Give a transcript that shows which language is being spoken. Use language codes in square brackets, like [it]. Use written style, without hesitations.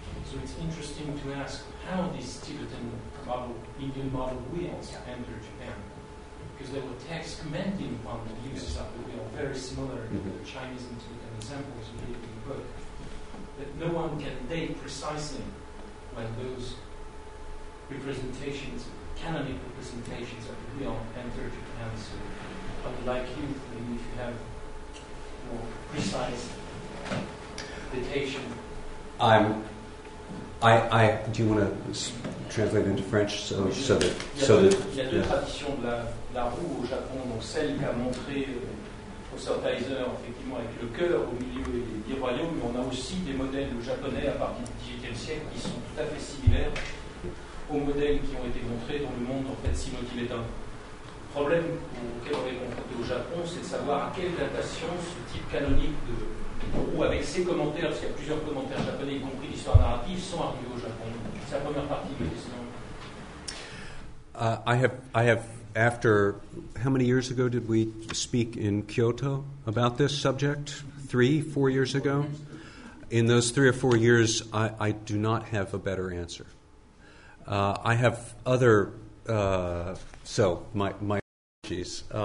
[en] So it's interesting to ask how these Tibetan model, Indian model wheels entered Japan, because there were texts commenting on the uses of the wheel, very similar to the Chinese and Tibetan examples you gave in the book, that no one can date precisely when those representations, canonic representations of the wheel entered Japan. So I would like you, maybe if you have more precise datation. I do you want to translate into French so that [fr] il y a deux traditions de la roue au Japon, donc celle qu'a montré Professor Tizer effectivement avec le cœur au milieu des royaumes, mais on a aussi des modèles japonais à partir du 18e siècle qui sont tout à fait similaires aux modèles qui ont été montrés dans le monde en fait sino-tibétain. Le problème auquel on est confronté au Japon, c'est de savoir à quelle datation ce type canonique de ou avec ses commentaires, parce qu'il y a plusieurs commentaires japonais, y compris l'histoire narrative, sont arrivés au Japon. C'est la première partie de la question. [en] I have after how many years ago did we speak in Kyoto about this subject? 3-4 years ago? In those 3 or 4 years, I do not have a better answer. I have other my apologies.